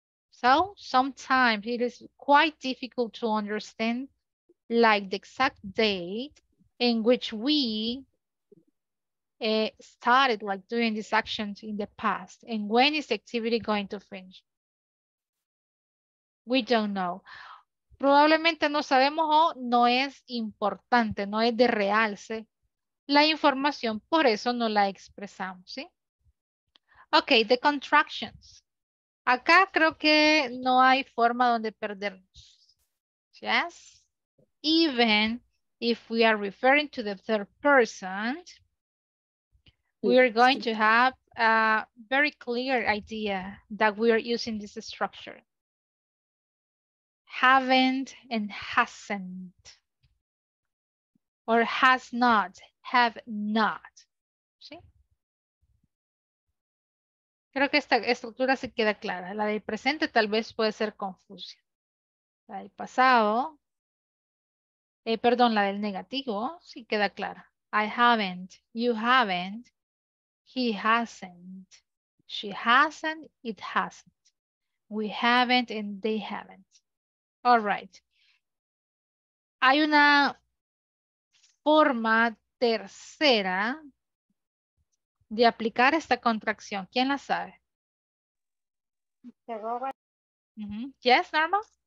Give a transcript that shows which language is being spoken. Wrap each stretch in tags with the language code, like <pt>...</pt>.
<en>So, sometimes it is quite difficult to understand, like the exact date in which we started like doing these actions in the past. And when is the activity going to finish? We don't know.</en> <es>Probablemente no sabemos o no es importante, no es de realce la información, por eso no la expresamos, ¿sí? Ok,</es> <en>the contractions.</en> <es>Acá creo que no hay forma donde perdernos.</es> <en>Yes? Even if we are referring to the third person, we are going to have a very clear idea that we are using this structure. Haven't and hasn't, or has not, have not, ¿sí?</en> <es>Creo que esta estructura se queda clara. La del presente tal vez puede ser confusa. La del pasado, perdón, la del negativo, sí queda clara.</es> <en>I haven't, you haven't, he hasn't, she hasn't, it hasn't. We haven't and they haven't. All right.</en> <es>Hay una forma tercera de aplicar esta contracción. ¿Quién la sabe?</es> <en>Yes, Norma.</en>